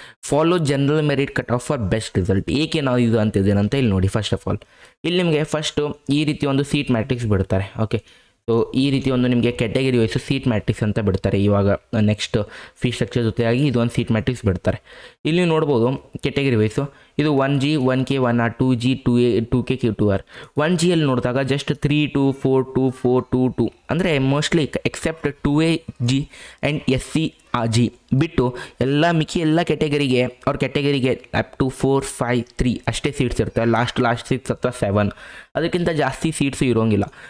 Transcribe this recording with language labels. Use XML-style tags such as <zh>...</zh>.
<en>Follow general merit cut off for best result.</en> <kn>ಏಕೆ ನಾವು ಇದು ಅಂತಿದ್ದೇನಂತ ಇಲ್ಲಿ ನೋಡಿ.</kn> <en>first of all</en> <kn>ಇಲ್ಲಿ ನಿಮಗೆ ಫಸ್ಟು ಈ ರೀತಿ ಒಂದು ಸೀಟ್ ಮ್ಯಾಟ್ರಿಕ್ಸ್ ಬಿಡ್ತಾರೆ, ಓಕೆ? ಸೊ ಈ ರೀತಿ ಒಂದು ನಿಮಗೆ ಕ್ಯಾಟಗರಿ ವೈಸ್ ಸೀಟ್ ಮ್ಯಾಟ್ರಿಕ್ಸ್ ಅಂತ ಬಿಡ್ತಾರೆ. ಇವಾಗ ನೆಕ್ಸ್ಟ್ ಫೀ ಸ್ಟ್ರಕ್ಚರ್ ಜೊತೆಯಾಗಿ ಇದು ಒಂದು ಸೀಟ್ ಮ್ಯಾಟ್ರಿಕ್ಸ್ ಬಿಡ್ತಾರೆ. ಇಲ್ಲಿ ನೀವು ನೋಡ್ಬೋದು ಕ್ಯಾಟಗರಿ ವೈಸು, ಇದು 1G, 1K, 1R, 2G, 2A, 2K, Q2R. 1G ನೋಡಿದಾಗ ಜಸ್ಟ್ 3, 2, 4, 2, 4, 2, 2, ಅಂದರೆ mostly accept 2A G and SC G ಬಿಟ್ಟು ಎಲ್ಲ ಮಿಕ್ಕಿ ಎಲ್ಲ ಕ್ಯಾಟಗರಿಗೆ ಅವ್ರ ಕ್ಯಾಟಗರಿಗೆ ಅಪ್ ಟು 4, 5, 3 ಅಷ್ಟೇ ಸೀಟ್ಸ್ ಇರ್ತವೆ. ಲಾಸ್ಟ್ ಸೀಟ್ಸ್ ಅಥವಾ 7, ಅದಕ್ಕಿಂತ ಜಾಸ್ತಿ ಸೀಟ್ಸ್ ಇರೋಂಗಿಲ್ಲ.</kn>